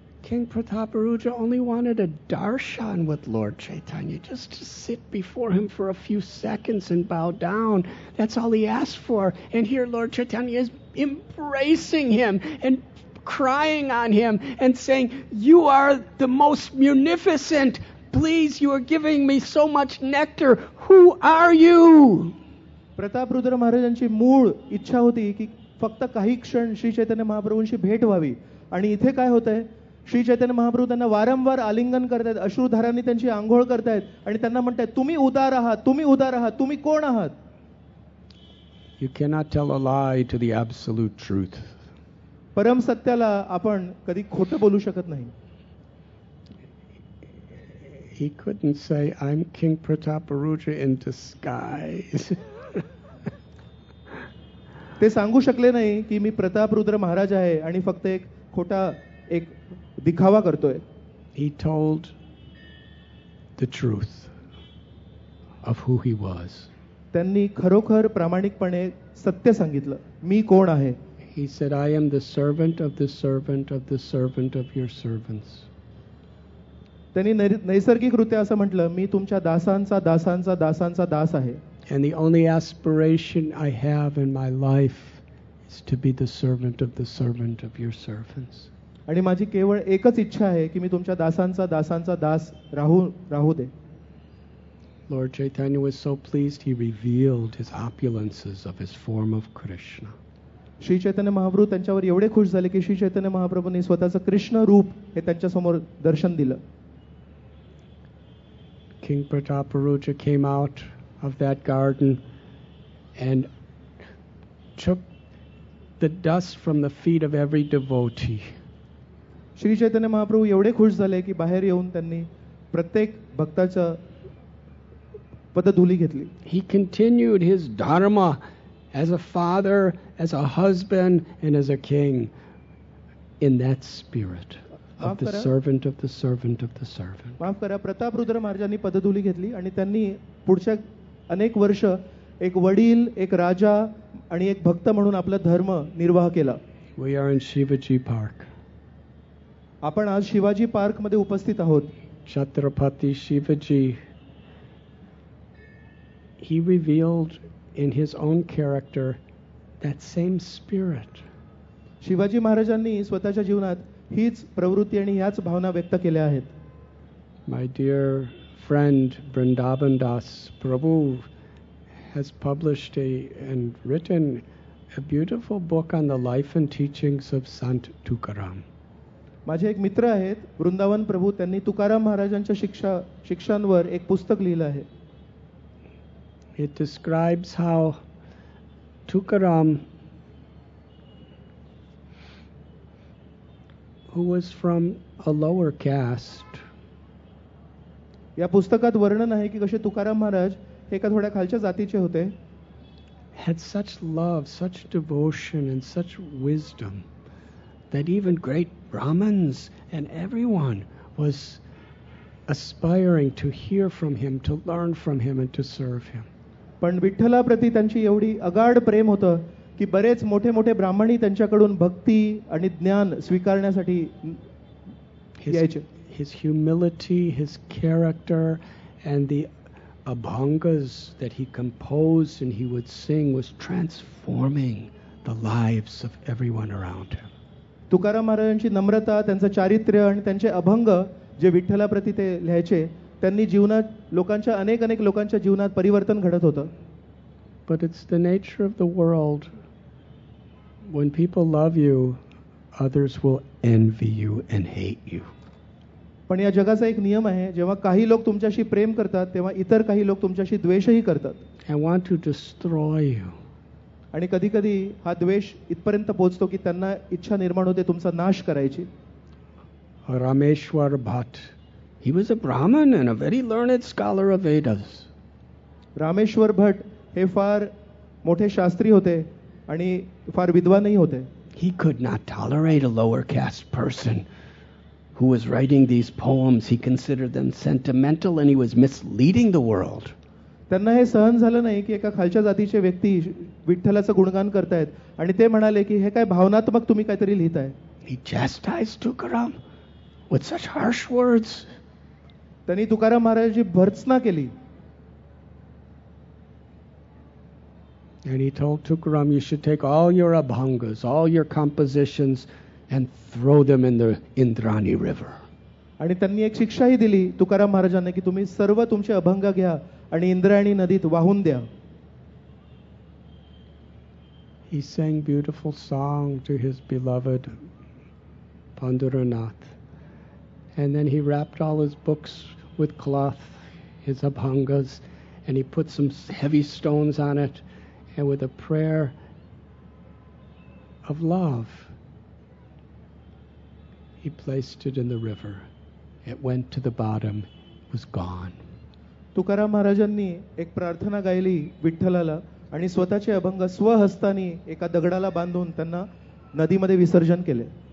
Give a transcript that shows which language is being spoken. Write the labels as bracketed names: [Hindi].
[English] King Prataparudra only wanted a darshan with Lord Chaitanya, just to sit before him for a few seconds and bow down. That's all he asked for. And here Lord Chaitanya is embracing him and crying on him and saying, "You are the most munificent. Please, you are giving me so much nectar. Who are you?" [Marathi] Prataparudra Maharajanchi mool ichcha hoti ki fakta kahi kshan Shri Chaitanya Mahaprabhunchi bhet vhavi. Ani ithe kay hote hai? Shri Chaitanya Mahaprabhu त्यांना वारंवार आलिंगन करतायत, अश्रुधारांनी त्यांची आंघोळ करतायत आणि त्यांना म्हणतायत, तुम्ही उदार आहात, तुम्ही उदार आहात, तुम्ही कोण आहात? [English] You cannot tell a lie to the absolute truth. [Marathi] परम सत्याला आपण कधी खोटं बोलू शकत नाही. [English] He couldn't say I'm King Prataparudra in disguise. [Marathi] ते सांगू शकले नाही की मी प्रतापरुद्र महाराज आहे आणि फक्त एक खोटा एक दिखावा करतोय. [English] He told the truth of who he was. [Marathi] त्यांनी खरोखर प्रामाणिकपणे सत्य सांगितलं, मी कोण आहे. [English] He said, I am the servant of the servant of the servant of your servants. [Marathi] त्यांनी नैसर्गिक रीत्या असं म्हटलं, मी तुमच्या दासांचा दासांचा दासांचा दास आहे. [English] And the only aspiration I have in my life is to be the servant of the servant of your servants. [Marathi] आणि माझी केवळ एकच इच्छा आहे की मी तुमच्या दासांचा दासांचा दास राहू दे. [English] Lord Chaitanya was so pleased he revealed his opulences of his form of Krishna. [Marathi] Shri Chaitanya Mahaprabhu त्यांच्यावर एवढे खुश झाले की श्री चैतन्य महाप्रभूंनी स्वतःचं कृष्ण रूप हे त्यांच्या समोर दर्शन दिलं. [English] King Prataparudra came out of that garden and took the dust from the feet of every devotee. [Marathi] Shri Chaitanya Mahaprabhu एवढे खुश झाले की बाहेर येऊन त्यांनी प्रत्येक भक्ताचं पदधुली घेतली. [English] He continued his dharma as a father, as a husband, and as a king in that spirit of the servant of the servant of the servant. [Marathi] माफ करा, प्रतापरुद्र महाराजांनी पदधुली घेतली आणि त्यांनी पुढच्या अनेक वर्ष एक वडील, एक राजा आणि एक भक्त म्हणून आपला धर्म निर्वाह केला. [English] We are in Shivaji Park. [Marathi] आपण आज शिवाजी पार्क मध्ये उपस्थित आहोत. [English] Chhatrapati Shivaji, he revealed in his own character that same spirit. [Marathi] Shivaji महाराजांनी स्वतःच्या जीवनात हीच प्रवृत्ती आणि ह्याच भावना व्यक्त केल्या आहेत. [English] My dear friend Vrindavan Das Prabhu has published and written a beautiful book on the life and teachings of Sant Tukaram. [Marathi] माझे एक मित्र आहेत वृंदावन प्रभू, त्यांनी तुकाराम महाराजांच्या शिक्षांवर एक पुस्तक लिहिलं आहे. [English] It describes how Tukaram, who was from a lower caste, [Marathi] या पुस्तकात वर्णन आहे की कसे तुकाराम महाराज हे एका थोड्या खालच्या जातीचे होते. [English] Had such love, such devotion and such wisdom that even great Brahmins and everyone was aspiring to hear from him, to learn from him and to serve him. [Marathi] पण विठ्ठला प्रति त्यांची एवढी अगाढ प्रेम होत की बरेच मोठे मोठे ब्राह्मणी त्यांच्याकडून भक्ती आणि ज्ञान स्वीकारण्यासाठी यायचे. [English] His humility, his character and the abhangas that he composed and he would sing was transforming the lives of everyone around him. [Marathi] Tukaram महाराजांची नम्रता, त्यांचं चारित्र्य आणि त्यांचे अभंग जे विठ्ठलाप्रती ते लिहायचे, त्यांनी जीवनात लोकांच्या अनेक अनेक लोकांच्या जीवनात परिवर्तन घडत होतं. [English] But it's the nature of the world. When people love you, others will envy you and hate you. [Marathi] पण या जगाचा एक नियम आहे, जेव्हा काही लोक तुमच्याशी प्रेम करतात तेव्हा इतर काही लोक तुमच्याशी द्वेषही करतात. [English] I want to destroy you. [Marathi] आणि कधी कधी हा द्वेष इथपर्यंत पोहोचतो की त्यांना इच्छा निर्माण होते तुमचा नाश करायची. [English] Rameshwar Bhat, he was a Brahmin and a very learned scholar of Vedas. [Marathi] Rameshwar भट हे फार मोठे शास्त्री होते आणि फार विद्वानही होते. [English] He could not tolerate a lower caste person who was writing these poems. He considered them sentimental and he was misleading the world. [Marathi] त्यांना हे सहन झालं नाही की एका खालच्या जातीचे व्यक्ती विठ्ठलाचं गुणगान करतायत आणि ते म्हणाले की हे काय भावनात्मक तुम्ही काहीतरी लिहिताय. [English] He chastised Tukaram with such harsh words. [Marathi] त्यांनी तुकाराम महाराजांची भर्त्सना केली. [English] And he told Tukaram, you should take all your abhangas, all your compositions, and throw them in the Indrani river. [Marathi] आणि त्यांनी एक शिक्षाही दिली तुकाराम महाराजांना की तुम्ही सर्व तुमचे अभंग घ्या आणि इंद्रायणी नदीत वाहून द्या. [English] He sang beautiful song to his beloved Pandurnath. And then he wrapped all his books with cloth, his abhangas, and he put some heavy stones on it. And with a prayer of love, he placed it in the river. It went to the bottom, was gone. [Marathi] Tukaram महाराजांनी एक प्रार्थना गायली विठ्ठलाला आणि स्वतःचे अभंग स्वहस्ताने एका दगडाला बांधून त्यांना नदीमध्ये विसर्जन केले.